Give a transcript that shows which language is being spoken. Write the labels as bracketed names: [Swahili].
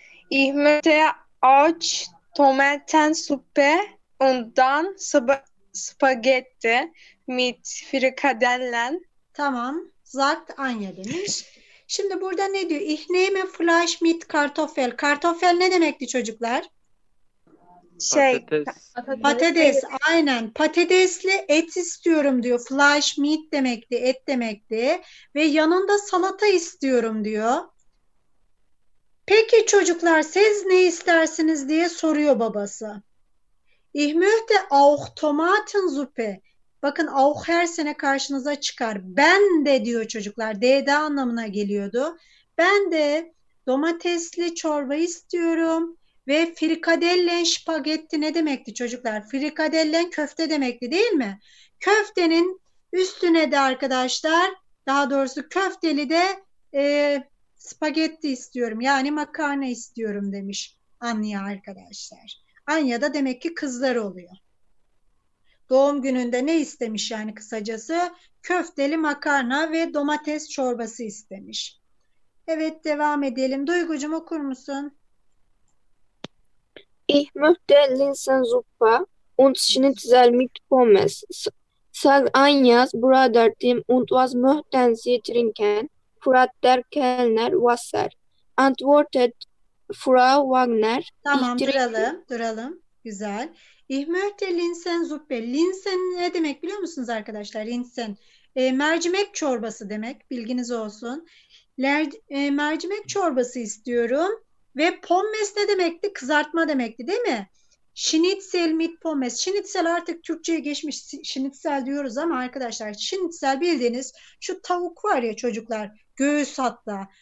[German] Ich möchte auch Tomaten Suppe und dann Spagetti mit frikadellen. [Turkish] Tamam. Zart Anya demiş. Şimdi burada ne diyor? [German] Ich nehme Fleisch mit Kartoffel. [Turkish] Kartoffel ne demekti çocuklar? Şey, Patates. Aynen. Patatesli et istiyorum diyor. [German] Fleisch mit [Turkish] demekti. Et demekti. Ve yanında salata istiyorum diyor. Peki çocuklar, siz ne istersiniz diye soruyor babası. [German] Ich möchte auch Tomatensuppe. [Turkish] Bakın, auch her sene karşınıza çıkar. Ben de diyor çocuklar. De anlamına geliyordu. Ben de domatesli çorba istiyorum. Ve frikadellen spagetti ne demekti çocuklar? Frikadellen köfte demekti değil mi? Köftenin üstüne de arkadaşlar, daha doğrusu köfteli de spagetti istiyorum. Yani makarna istiyorum demiş Anya arkadaşlar. Anya da demek ki kızlar oluyor. Doğum gününde ne istemiş yani kısacası? Köfteli makarna ve domates çorbası istemiş. Evet, devam edelim. Duygucuğum okur musun? [German] Ich möchte Linsensuppe und Schnitzel mit Pommes. Sag Anjas Bruder dem und was möchten Sie trinken? Fragt der Kellner Wasser. Antwortet Frau Wagner. Ich [Turkish] Tamam, [German] trinke. [Turkish] duralım, duralım. Güzel. [German] Ich möchte Linsen Suppe. [Turkish] Linsen ne demek biliyor musunuz arkadaşlar? Linsen. Mercimek çorbası demek. Bilginiz olsun. Mercimek çorbası istiyorum. Ve pommes ne demekti? Kızartma demekti değil mi? [German] Schnitzel mit pommes. [Turkish] Schnitzel artık Türkçe'ye geçmiş. Schnitzel diyoruz ama arkadaşlar, Schnitzel bildiğiniz şu tavuk var ya çocuklar. Göğüs hatta.